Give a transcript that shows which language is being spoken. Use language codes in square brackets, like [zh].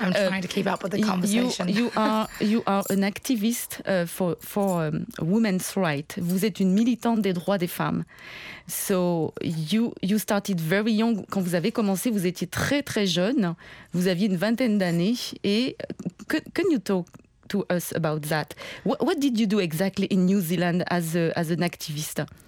[en] I'm trying to keep up with the conversation. You are an activist for women's rights. [fr] Vous êtes une militante des droits des femmes. [en] So you started very young. [fr] Quand vous avez commencé, vous étiez très très jeune. Vous aviez une vingtaine d'années. [en] Et can you talk to us about that? What did you do exactly in New Zealand as an activist?